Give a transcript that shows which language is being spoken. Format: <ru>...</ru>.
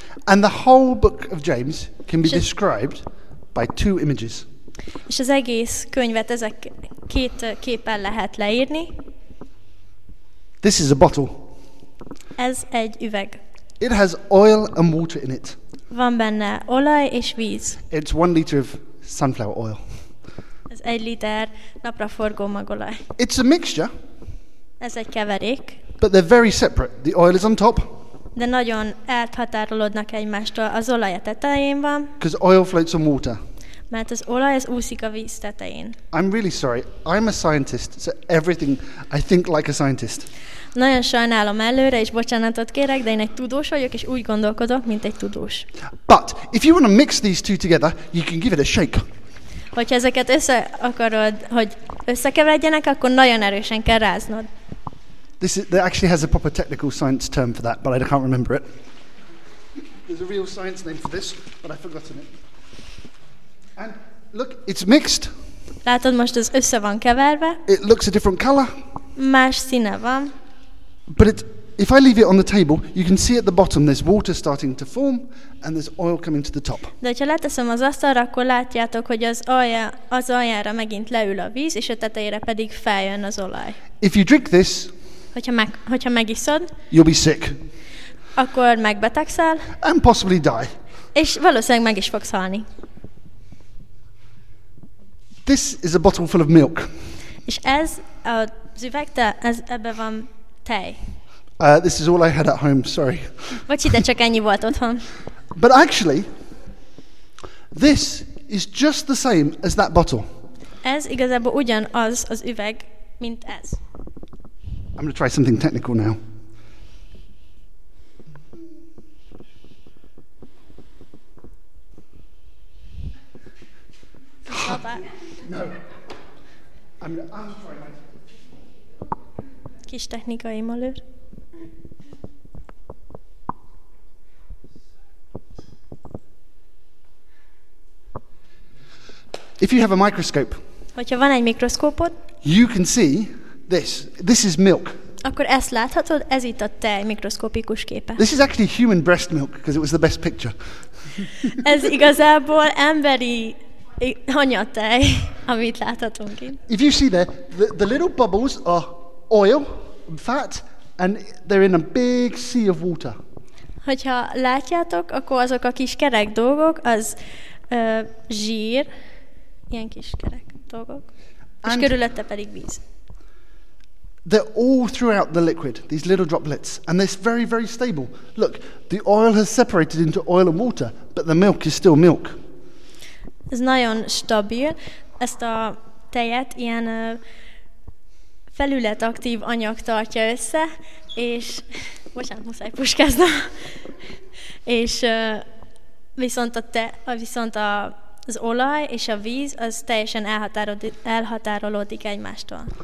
<en>And the whole book of James can be described by two images.</en> <hu>És az egész könyvet ezek két képpel lehet leírni.</hu> <en>This is a bottle.</en> <hu>Ez egy üveg.</hu> <en>It has oil and water in it.</en> <hu>Van benne olaj és víz.</hu> <en>It's 1 liter of sunflower oil.</en> <hu>Ez 1 liter napraforgó magolaj.</hu> <en>It's a mixture.</en> <hu>Ez egy keverék.</hu> <en>But they're very separate. The oil is on top.</en> <hu>De nagyon elhatárolódnak egymástól. Az olaj a tetején van.</hu> <en>Because oil floats on water.</en> <hu>Mert az olaj az úszik a víz tetején.</hu> <en>I'm really sorry. I'm a scientist, so everything I think like a scientist.</en> <hu>Nagyon sajnálom előre, és bocsánatot kérek, de én egy tudós vagyok, és úgy gondolkodok, mint egy tudós.</hu> <en>But if you want to mix these two together, you can give it a shake.</en> <hu>Hogyha ezeket össze akarod, hogy összekeveredjenek, akkor nagyon erősen kell ráznod.</hu> <en>There actually has a proper technical science term for that, but I can't remember it. There's a real science name for this, but I've forgotten it. And look, it's mixed.</en> <hu>Látod, most ez össze van keverve.</hu> <en>It looks a different color.</en> <hu>Más színe van.</hu> <en>But if I leave it on the table, you can see at the bottom there's water starting to form and there's oil coming to the top.</en> <hu>De ha leteszem az asztalra, akkor látjátok, hogy az aljára megint leül a víz, és a tetejére pedig feljön az olaj.</hu> <en>If you drink this,</en> <hu>hogyha megiszod,</hu> <en>you'll be sick.</en> <hu>Akkor megbetegszel.</hu> <en>And possibly die.</en> <hu>És valószínűleg meg is fogsz halni.</hu> <en>This is a bottle full of milk.</en> <hu>És ez a üvegte, ez ebbe van tej.</hu> <en>This is all I had at home, sorry.</en> <hu>Bocsi, de csak ennyi volt otthon.</hu> <en>But actually, this is just the same as that bottle.</en> <hu>Ez igazából ugyanaz az üveg, mint ez.</hu> <en>I'm going to try something technical now.</en> <hu>Kis technikai malőr.</hu> <en>If you have a microscope,</en> <hu>hogyha van egy mikroszkópod,</hu> <en>you can see this. This is milk.</en> <hu>Akkor ezt láthatod, ez itt a tej mikroszkopikus képe.</hu> <en>This is actually human breast milk because it was the best picture.</en> <hu>Ez igazából emberi anyatej, amit láthatunk itt.</hu> <en>If you see there, the little bubbles are oil, fat, and they're in a big sea of water.</en> <hu>Hogyha látjátok, akkor azok a kis kerek dolgok, az zsír, ilyen kis kerek dolgok, és körülötte pedig víz.</hu> <en>They're all throughout the liquid, these little droplets, and they're very, very stable. Look, the oil has separated into oil and water, but the milk is still milk.</en> <hu>Ez nagyon stabil. Ezt a tejet ilyen felületaktív anyag tartja össze, és bocsánat, muszáj puskáznom. És viszont az olaj és a víz az teljesen elhatárolódik egymástól.</hu>